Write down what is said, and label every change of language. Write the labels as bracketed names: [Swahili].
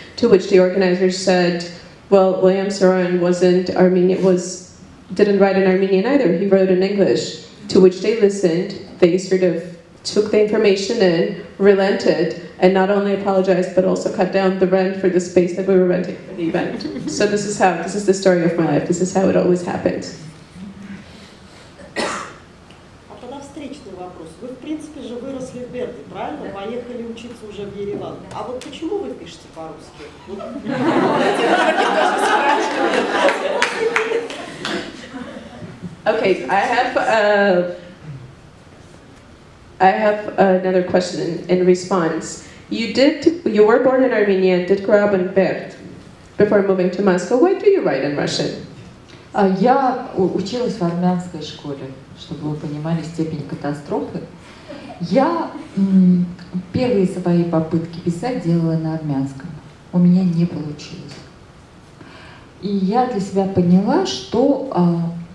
[English] To which the organizers said, "Well, William Saran wasn't Armenian; didn't write in Armenian either. He wrote in English." To which they listened. They sort of took the information in, relented, and not only apologized but also cut down the rent for the space that we were renting for the event. So this is how, this is the story of my life, this is how it always happened. [Russian] А тогда встречный вопрос. Вы, в принципе, же выросли в Берде, правильно? Поехали учиться уже в Ереван. А вот почему вы пишете по-русски? [English] Okay, I have another question in response. You were born in Armenia and did grow up in Berd before moving to Moscow. Why do you write in Russian? [Russian] Я училась в армянской школе, чтобы вы понимали степень катастрофы. Я первые свои попытки писать делала на армянском. У меня не получилось. И я для себя поняла, что